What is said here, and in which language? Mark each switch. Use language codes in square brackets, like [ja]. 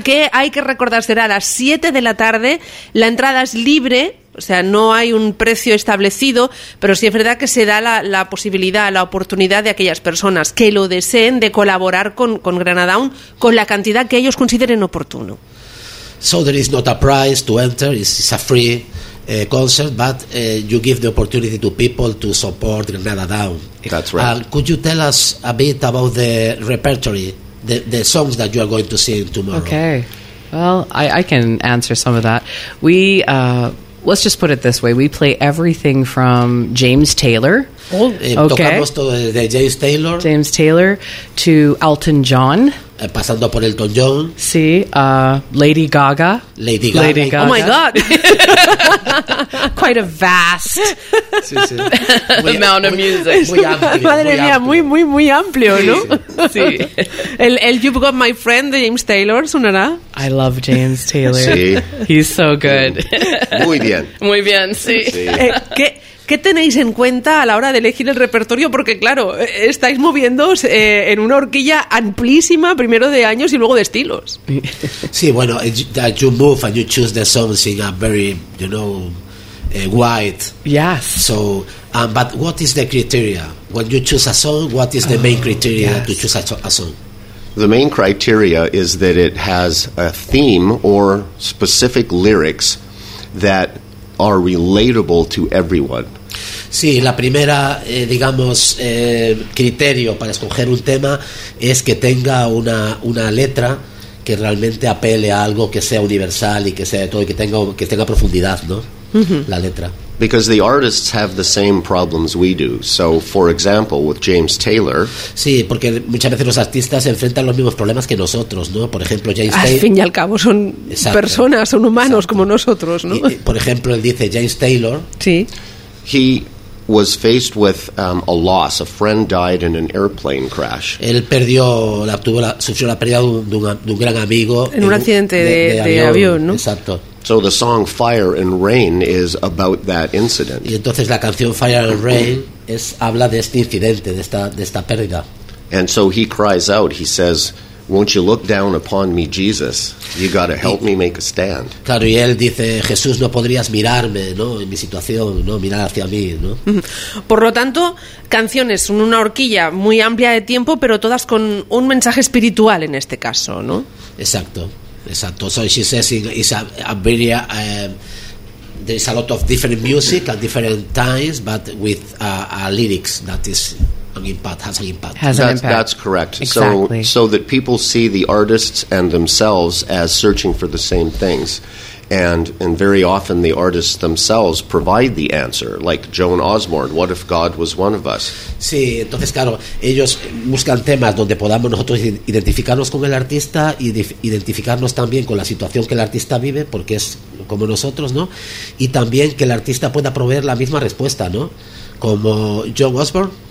[es] Que hay que recordar, será a las 7 de la tarde. La entrada es libre. O sea, no hay un precio establecido, pero sí es verdad que se da la posibilidad, la oportunidad de aquellas personas que lo deseen de colaborar con Granadown con la cantidad que ellos consideren oportuno. [en] So there is not a price to enter, it's a free concert, but you give the opportunity to people to support Granadown. That's right. Could you tell us a bit about the repertory, the songs that you are going to sing tomorrow? Okay. Well, I can answer some of that. Let's just put it this way. We play everything from James Taylor. [es] Okay. Tocamos todo de James Taylor. [en] James Taylor to Elton John. [es] Pasando por Elton John. Sí. Lady Gaga. Lady Gaga. Lady Gaga. [en] Oh, my God. Quite a vast amount of music. [es] Muy amplio. Madre mía, muy, muy, muy amplio, sí, ¿no? Sí. El You've Got My Friend de James Taylor, ¿sonará? [en] I love James Taylor. [es] Sí. [en] He's so good. [es] Muy bien. Muy bien, sí. ¿Qué tenéis en cuenta a la hora de elegir el repertorio? Porque, claro, estáis moviéndoos en una horquilla amplísima, primero de años y luego de estilos. Sí, bueno, [en] that you move and you choose the songs in a very, you know, wide. Yes. So, but what is the criteria? When you choose a song, what is the main criteria to choose a song? The main criteria is that it has a theme or specific lyrics that are relatable to everyone. [es] Sí, la primera, digamos, criterio para escoger un tema es que tenga una letra que realmente apele a algo que sea universal y que sea de todo y que tenga profundidad, ¿no? La letra. [en] Because the artists have the same problems we do. So, for example, with James Taylor. [es] Sí, porque muchas veces los artistas se enfrentan los mismos problemas que nosotros, ¿no? Por ejemplo, James Taylor. Al fin y al cabo son personas, son humanos como nosotros, ¿no? Por ejemplo, él dice James Taylor. Sí. [en] He was faced with a loss. A friend died in an airplane crash. [es] Él perdió, sufrió la pérdida de un gran amigo en un accidente de avión, ¿no? Exacto. [en] So the song Fire and Rain is about that incident. [es] Y entonces la canción Fire and Rain habla de este incidente, de esta pérdida. [en] And so he cries out, he says, "Won't you look down upon me, Jesus? You got to help me make a stand." [es] Claro, y él dice, "Jesús, no podrías mirarme, ¿no? En mi situación, ¿no? Mirar hacia mí, ¿no?" Por lo tanto, canciones en una horquilla muy amplia de tiempo, pero todas con un mensaje espiritual en este caso, ¿no? Exacto. Exacto. [en] So she says it's a very there is a lot of different music at different times, but with a lyrics that is Has an impact. That's correct. Exactly. So that people see the artists and themselves as searching for the same things. And very often the artists themselves provide the answer, like Joan Osborne, what if God was one of us? [es] Sí, entonces claro, ellos buscan temas donde podamos nosotros identificarnos con el artista y identificarnos también con la situación que el artista vive, porque es como nosotros, ¿no? Y también que el artista pueda proveer la misma respuesta, ¿no? Como Joan Osborne.